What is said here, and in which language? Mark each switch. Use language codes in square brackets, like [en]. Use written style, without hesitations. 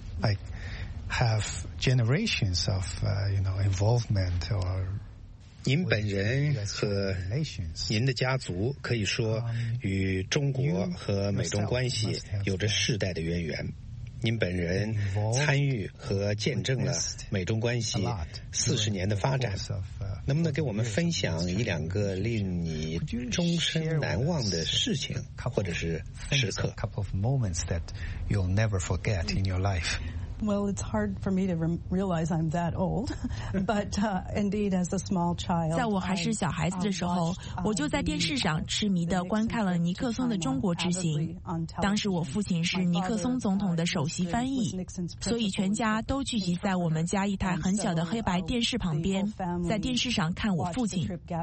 [en] Like, have generations of, you know, involvement or... [zh] 您本人和您的家族可以说与中国和美中关系有着世代的渊源。您本人参与和见证了美中关系40年的发展，能不能给我们分享一两个令你终身难忘的事情或者是时刻？ [en] Couple of moments that you'll never forget in your life. Well, it's hard for me to realize I'm that old, but indeed, as a small child, [zh] 在我还是小孩子的时候，我就在电视上痴迷地观看了尼克松的中国之行。当时我父亲是尼克松总统的首席翻译，所以全家都聚集在我们家一台很小的黑白电视旁边，在电视上看我父亲。